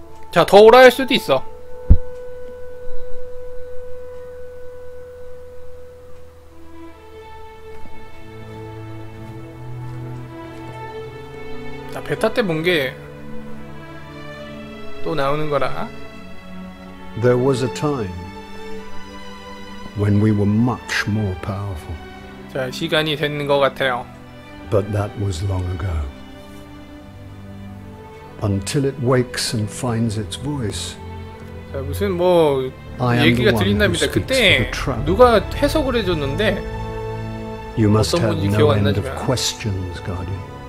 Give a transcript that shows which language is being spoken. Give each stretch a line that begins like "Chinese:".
Korean: 자, 더 오라 할 수도 있어. 자, 베타 때 본 게 또 나오는 거라.
English: There was a time when we were much more powerful.
Korean: 자, 시간이 된 것 같아요.
English: But that was long ago. Until it wakes and finds its voice.
Korean: 자, 무슨 뭐 얘기가 들린답니다. 그때 누가 해석을 해줬는데
English: You must have no end of questions, Guardian.